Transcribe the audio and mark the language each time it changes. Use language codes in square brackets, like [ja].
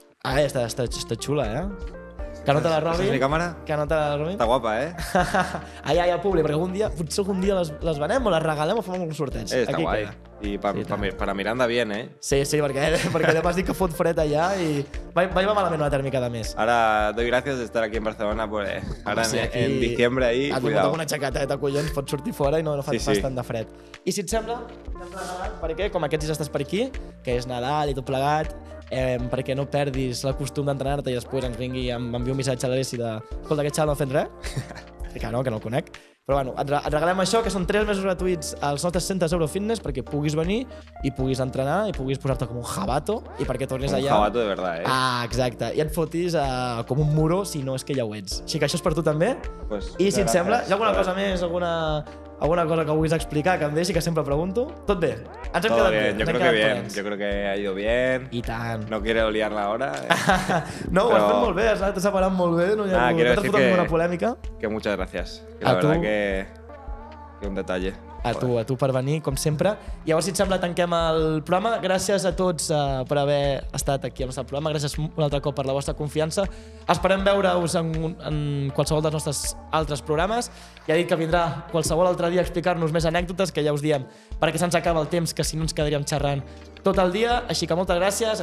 [ca] Ah, està xula, eh? Que no te la robi. És mi càmera? Que no te la robi. Està guapa, eh? Ai, al públic, perquè potser algun dia les venem o les regalem o fem un sorteig. Està guai. I per a Miranda, bien, eh? Sí, perquè demà has dit que fot fred allà i va malament una tèrmica de més. [es] Ara, doy gracias de estar aquí en Barcelona, però ara en diciembre ahí, cuidado. [ca] Has tingut una xacateta, collons, pots sortir fora i no fa tant de fred. I si et sembla, perquè com aquests dies estàs per aquí, que és Nadal i tot plegat, perquè no perdis l'acostum d'entrenar-te i després ens vingui i m'enviï un missatge a l'Alessi de escolta, aquest xaval no ha fet res. Que no, que no el conec. Però bueno, et regalem això, que són 3 mesos gratuïts als nostres centres Eurofitness perquè puguis venir i puguis entrenar i puguis posar-te com un jabato i perquè tornis allà... [es] Un jabato de verdad, eh? [ca] Ah, exacte. I et fotis com un muro si no és que ja ho ets. Així que això és per tu també. I si et sembla, hi ha alguna cosa més, alguna cosa que vulguis explicar, que em deixi, que sempre pregunto. Tot bé. Ens hem quedat bé. [es] Yo creo que bien. Yo creo que ha ido bien. [ca] I tant. [es] No quiero liar-la ahora. [ca] No, ho has fet molt bé. T'has separat molt bé. No t'has fotut amb una polèmica. [es] Que muchas gracias. La verdad que un detalle. [ca] a tu per venir, com sempre. Llavors, si et sembla, tanquem el programa. Gràcies a tots per haver estat aquí al nostre programa. Gràcies un altre cop per la vostra confiança. Esperem veure-us en qualsevol dels nostres altres programes. Ja he dit que vindrà qualsevol altre dia a explicar-nos més anècdotes, que ja us diem, perquè se'ns acaba el temps, que si no ens quedaríem xerrant tot el dia. Així que moltes gràcies.